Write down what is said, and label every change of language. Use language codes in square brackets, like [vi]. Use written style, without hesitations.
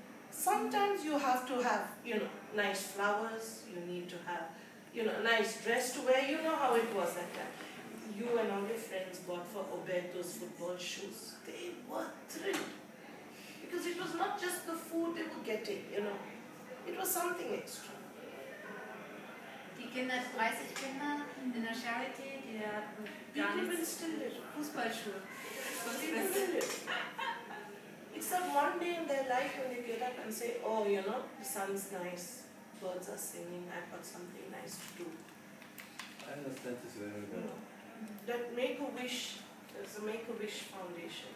[en] Sometimes you have to have, you know, nice flowers, you need to have, you know, a nice dress to wear. You know how it was that time. You and all your friends bought for Obed those football shoes. They were thrilled. Because it was not just the food they were getting, you know. It was something extra. [de] Die Kinder, 30 Kinder in der Charité, die hatten ganz... Wie still it? Fußballschuhe. [en] It's that one day in their life when they get up and say, oh, you know, the sun's nice, birds are singing, I've got something nice to do. I understand this very well. That Make-A-Wish, there's a Make-A-Wish Foundation.